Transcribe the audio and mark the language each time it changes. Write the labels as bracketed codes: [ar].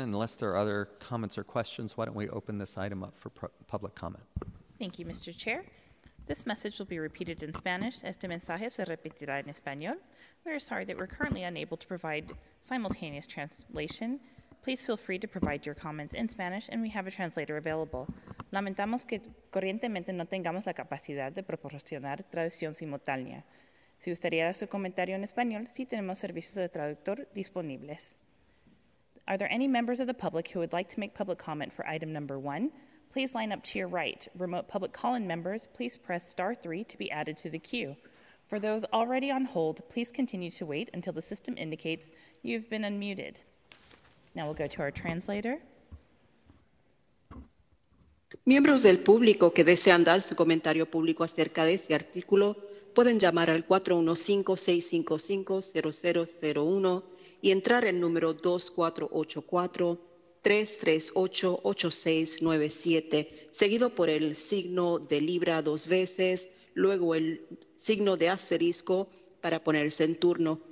[en] Unless there are other comments or questions, why don't we open this item up for public comment? Thank you, Mr. Chair. This message will be repeated in Spanish. [es] Este mensaje se repetirá en español. [en] We are sorry that we're currently unable to provide simultaneous translation Please feel free to provide your comments in Spanish, and we have a translator available. [es] Lamentamos que corrientemente no tengamos la capacidad de proporcionar traducción simultánea. Si usted quiere su comentario en español, sí tenemos servicios de traductor disponibles. [en] Are there any members of the public who would like to make public comment for item number one? Please line up to your right. Remote public call-in members, please press star 3 to be added to the queue. For those already on hold, please continue to wait until the system indicates you've been unmuted. Now we'll go to our translator. [es] Miembros del público que desean dar su comentario público acerca de este artículo pueden llamar al 415-655-0001 y entrar en número 2484-338-8697, seguido por el signo de Libra dos veces, luego el signo de asterisco para ponerse en turno.